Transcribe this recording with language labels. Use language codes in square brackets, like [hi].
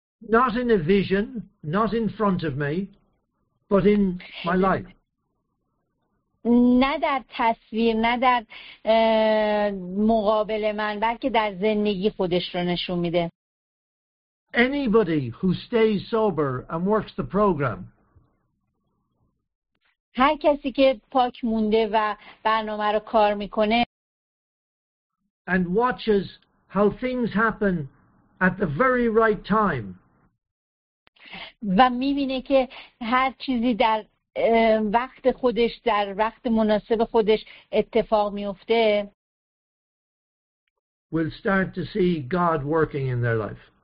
[en] Not in a vision, not in front of me, but in my life. [fa] نه در تصویر، نه در مقابل من، بلکه در زندگی خودش رو نشون میده. [en] Anybody who stays sober and works the program. [fa] هر کسی که پاک مونده و برنامه رو کار میکنه. [en] And watches how things happen at the very right time. [fa] و میبینه که هر چیزی در وقت خودش در وقت مناسب خودش اتفاق میفته. [en] We'll start to see God working in their life.